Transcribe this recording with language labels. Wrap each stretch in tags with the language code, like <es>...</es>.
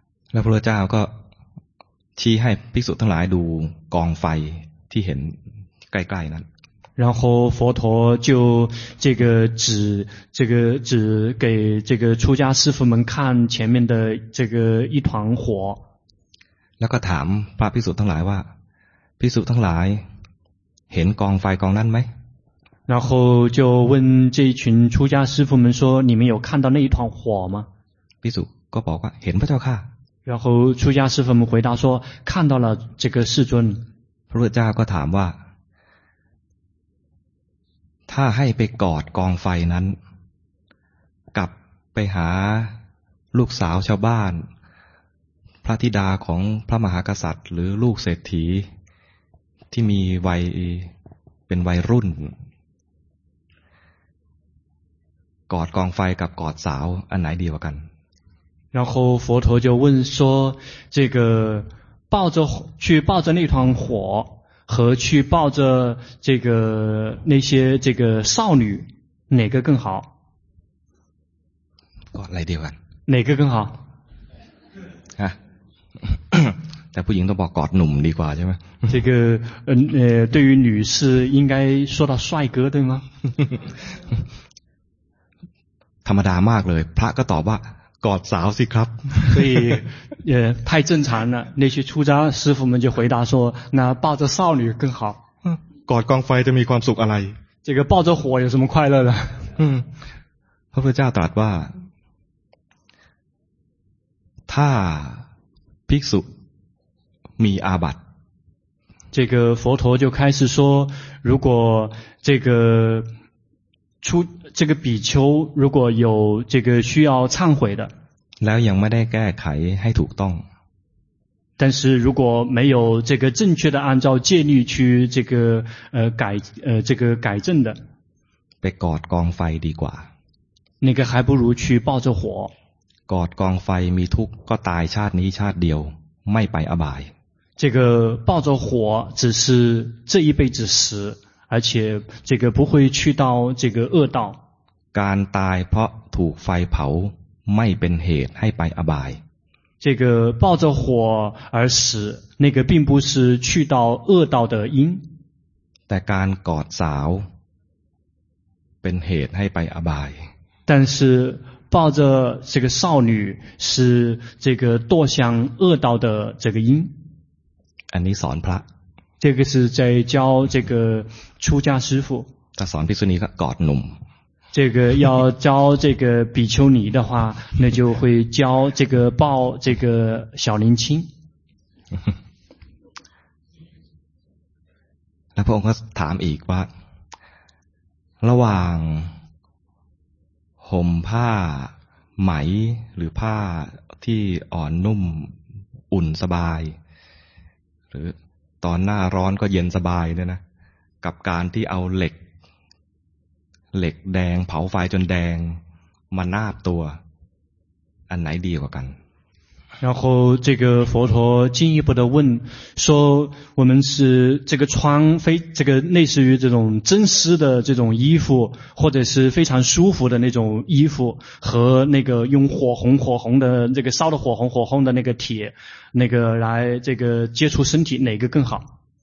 <zh>那佛陀教</zh> <th>ก็ชี้ให้ภิกษุทั้งหลายดูกองไฟที่เห็นใกล้ๆนั้น。</th> <zh>然后佛陀就这个指给这个出家师父们看前面的这个一团火。</zh> <th>แล้วก็ถามพระภิกษุทั้งหลายว่าภิกษุทั้งหลายเห็นกองไฟกองนั้นไหม</th> <zh>然后就问这群出家师父们说你们有看到那一团火吗</zh> <th>ภิกษุก็บอกว่าเห็นพระเจ้าค่ะ</th> <zh>然后出家师父们回答说看到了这个世尊</zh> <th>พระพุทธเจ้าก็ถามว่าถ้าให้ไปกอดกองไฟนั้นกลับไปหาลูกสาวชาวบ้านพระธิดาของพระมหากษัตริย์หรือลูกเศรษฐีที่มีวัยเป็นวัยรุ่นกอดกองไฟกับกอดสาวอันไหนดีกว่ากัน</th> <zh>然后佛陀就问说这个抱着去抱着那团火和去抱着这个那些这个少女哪个更好</zh> <th>กอดอะไรดีกว่า</th> <zh>哪个更好</zh> <th>ฮะ แต่ผู้หญิงต้องบอกกอดหนุ่มดีกว่าใช่ไหม</th> <zh>这个对于女士应该说到帅哥对吗</zh> <th>ธรรมดามากเลยพระก็ตอบว่ากอดสาวสิครับ</th> <zh>所以太正常了那些出家师父们就回答说那抱着少女更好</zh> <th>กอดกองไฟจะมีความสุขอะไร</th> <zh>这个抱着火有什么快乐的</zh> <th>พระพุทธเจ้าตรัสว่าถ้าภิกษุมีอาบัติ</th> <zh>这个佛陀就开始说如果这个出这个比丘如果有这个需要忏悔的</zh> <th>แล้วยังไม่ได้แก้ไขให้ถูกต้อง</th> <zh>但是如果没有这个正确的按照戒律去这个改这个改正的</zh> <th>ไปกอดกองไฟดีกว่า</th> <zh>那个还不如去抱着火</zh> <th>กอดกองไฟมีทุกข์ก็ตายชาตินี้ชาติเดียวไม่ไปอบาย</th> <zh>这个抱着火只是这一辈子死而且这个不会去到这个恶道</zh> <th>การตายเพราะถูกไฟเผาไม่เป็นเหตุให้ไปอบาย</th> <zh>这个抱着火而死那个并不是去到恶道的因</zh> <th>แต่การกอดสาวเป็นเหตุให้ไปอบาย</th> <zh>但是抱着这个少女是这个堕向恶道的这个因</zh> <th>อันนี้สอนพระ</th> <zh>这个是在教这个出家师父</zh> <th>ถ้าสอนภิกษุณีก็กอดหนุ่ม</th> <zh>这个要教这个比丘尼的话那就会教这个抱这个小年轻</zh> <th>แล้วพระองค์ก็ถามอีกว่าระหว่างห่มผ้าไหมหรือผ้าที่อ่อนนุ่มอุ่นสบายหรือตอนหน้าร้อนก็เย็นสบายเนี่ยนะกับการที่เอาเหล็กแดงเผาไฟจนแดงมานาบตัวอันไหนดีกว่ากัน</th> <zh>然后这个佛陀进一步的问说我们是这个穿非这个类似于这种真丝的这种衣服或者是非常舒服的那种衣服和那个用火红的这个烧的火红的那个铁那个来这个接触身体哪个更好</zh>